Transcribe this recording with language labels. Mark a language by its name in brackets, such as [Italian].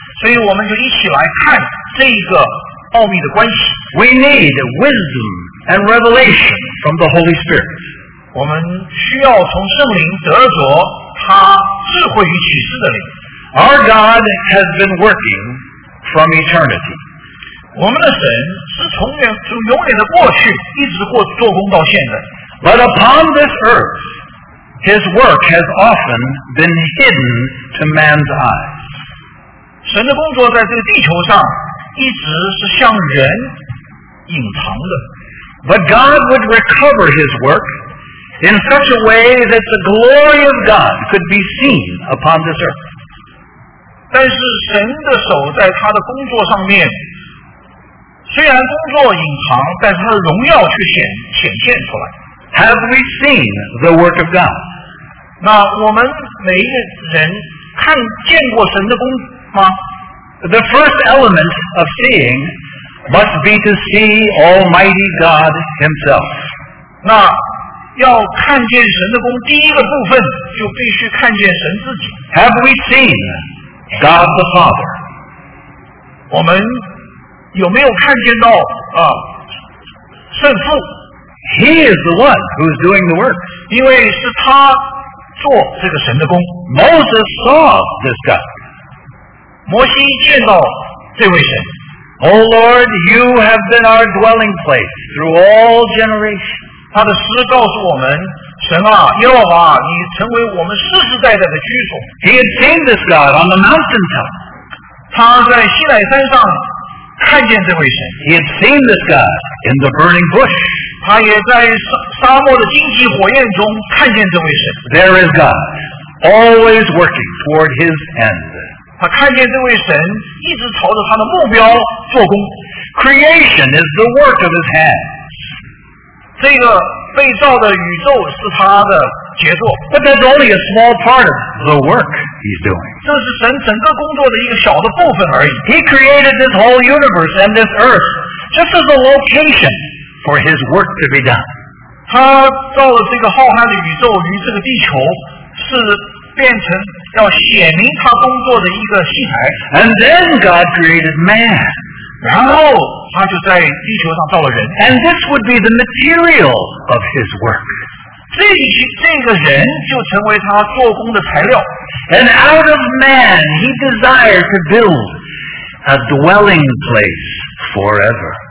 [Chinese] 所以我们就一起来看这个奥秘的关系。 [English] We need wisdom. And revelation from the Holy Spirit. [Chinese] 我们需要从圣灵得着他智慧与启示的灵。 [English] Our God has been working from eternity. [Chinese] 我们的神是从永远的过去一直做工到现在。 [English] But upon this earth, His work has often been hidden to man's eyes. [Chinese] 神的工作在这个地球上一直是向人隐藏的。 [English] But God would recover his work in such a way that the glory of God could be seen upon this earth. [Chinese] 但是神的手在他的工作上面，虽然工作隐藏，但是他的荣耀却显现出来。 [English] Have we seen the work of God? [Chinese] 那我们每一个人看见过神的工吗？ [English] The first element of seeing must be to see Almighty God Himself. [Chinese] 那要看见神的工，第一个部分就必须看见神自己。 [English] Have we seen God the Father? [Chinese] 我们有没有看见到啊圣父？ [English] He is the one who is doing the work. [Chinese] 因为是他做这个神的工。 [English] Moses saw this God. [Chinese] 摩西见到这位神。 [English] O Lord, you have been our dwelling place through all generations. [Chinese] 他的诗告诉我们，神啊，耶和华，你成为我们世世代代的居所。 [English] He had seen this God on the mountaintop. [Chinese] 他在西乃山上看见这位神。 [English] He had seen this God in the burning bush. [Chinese] 他也在沙漠的荆棘火焰中看见这位神。 [English] There is God, always working toward His end. [Chinese] 他看见这位神一直朝着他的目标做工。 [English] Creation is the work of His hand. [Chinese] 这个被造的宇宙是他的杰作。 [English] But that's only a small part of the work He's doing. [Chinese] 这是神整个工作的一个小的部分而已。 [English] He created this whole universe and this earth just as a location. For his work to be done. [Chinese] 他造了这个浩瀚的宇宙与这个地球是变成要显明他工作的一个戏台。 [English] And then God created man. [Chinese] 然后他就在地球上造了人。 [English] And this would be the material of his work. [Chinese] 这个人就成为他做工的材料。 [English] And out of man, he desired to build a dwelling place forever.